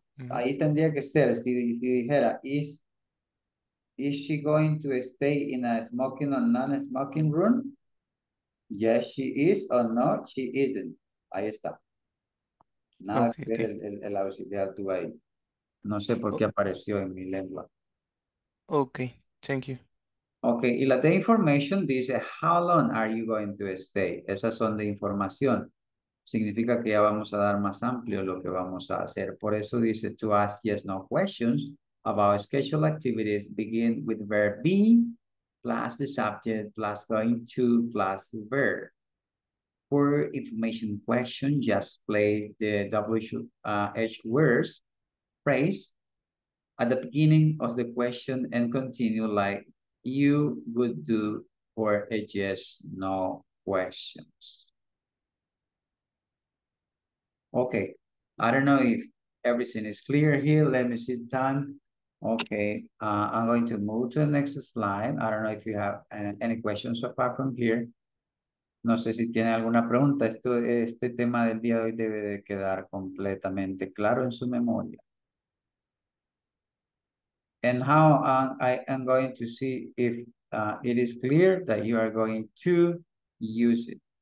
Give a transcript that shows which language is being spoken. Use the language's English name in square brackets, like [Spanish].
[Spanish] Ahí tendría que ser, si dijera, [English] is she going to stay in a smoking or non-smoking room? Yes, she is, or no, she isn't. [Spanish] Ahí está. Nada que ver el auxiliar tú ahí. No sé por qué apareció en mi lengua. [English] Okay, thank you. Okay, [Spanish] y la de information dice, [English] how long are you going to stay? [Spanish] Esas son de información. Significa que ya vamos a dar más amplio lo que vamos a hacer. Por eso dice, [English] to ask yes, no questions about scheduled activities, begin with verb be, plus the subject, plus going to, plus the verb. For information question, just play the WH words phrase at the beginning of the question and continue like you would do for a yes, no questions. Okay, I don't know if everything is clear here. Let me see the time. Okay, I'm going to move to the next slide. I don't know if you have any questions so far from here. [Spanish] No sé si tiene alguna pregunta. Este tema del día de hoy debe de quedar completamente claro en su memoria. [English] And how I am going to see if it is clear that you are going to use it.